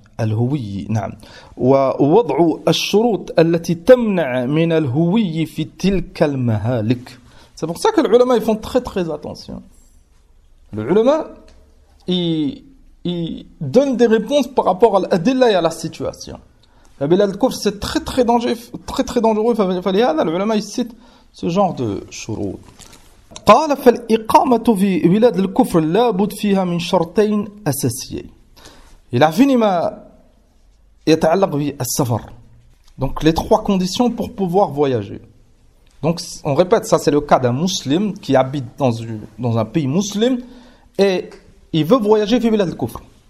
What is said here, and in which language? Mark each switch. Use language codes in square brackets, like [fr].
[ar] الهوية نعم ووضع الشروط التي تمنع من الهوية في تلك المهالك. [fr] C'est pour ça que les ulama ils font très très attention. Les ulama ils donnent des réponses par rapport à l'adilla et à la situation. La bilal de kufr, c'est très très dangereux, très très dangereux. Les ulama ils citent ce genre de shurut. [ar] قال فالإقامة في بلاد الكفر لا بد فيها من شرطين أساسيين. [fr] Il a fini [ar] ma يتعلق بالسفر. [fr] Donc les trois conditions pour pouvoir voyager. Donc on répète, ça c'est le cas d'un musulman qui habite dans un pays musulman et il veut voyager [ar] في بلاد الكفر.